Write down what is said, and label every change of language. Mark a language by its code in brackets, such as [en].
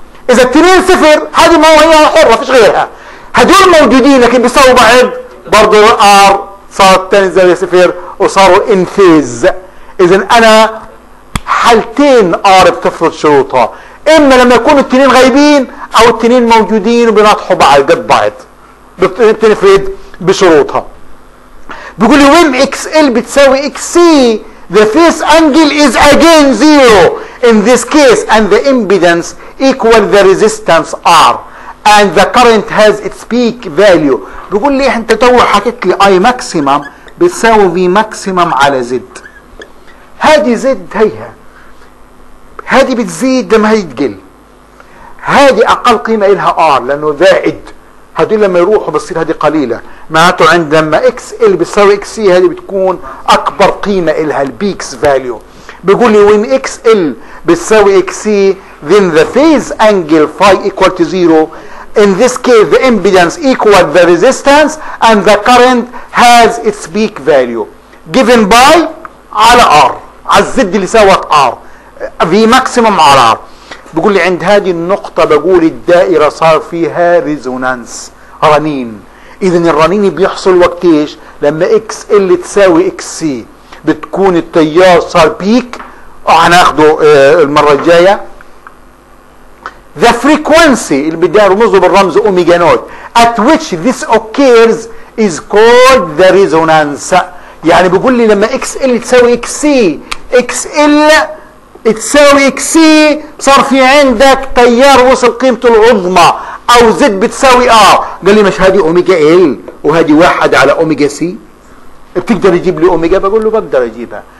[ar] اذا التنين صفر هذه ما هي حره فيش غيرها، هذول موجودين لكن بيساووا بعض برضه ار صارت تنزل صفر وصاروا انفيز. اذا انا حالتين ار بتفرض شروطها، اما لما يكون التنين غايبين او التنين موجودين وبيناطحوا بعض قد بعض بتنفرد بشروطها. [en] بيقول لي when X L بتساوي X C the face angle is again zero in this case and the impedance equal the resistance r and the current has its peak value. [ar] بيقول لي انت تو حكيت لي اي ماكسيمم بتساوي في ماكسيمم على زد، هذه زد هيها، هذه بتزيد لما هي تقل، هذه اقل قيمه لها ار لانه زائد، هذول لما يروحوا بتصير هذه قليله، معناته عند لما اكس ال بتساوي اكس سي هذه بتكون اكبر قيمه لها البيكس فاليو. [en] بيقول لي when X L بتساوي X C then the phase angle phi equal to zero in this case the impedance equal the resistance and the current has its peak value given by على R على الزد اللي ساوت R في maximum على R. [ar] بقول لي عند هذه النقطة بقول الدائرة صار فيها ريزونانس رنين، إذا الرنين بيحصل وقت ايش؟ لما اكس ال تساوي اكس سي بتكون التيار صار بيك، وهناخده المرة الجاية. [en] The frequency اللي بدي ارمزه بالرمز omega naught at which this occurs is called the resonance. [ar] يعني بقول لي لما اكس ال تساوي اكس سي، اكس ال تساوي اكس سي صار في عندك تيار وصل قيمته العظمى او زد بتساوي ار. قال لي مش هذه اوميجا ال وهذه واحد على اوميجا سي، بتقدر تجيب لي اوميجا؟ بقول له بقدر اجيبها.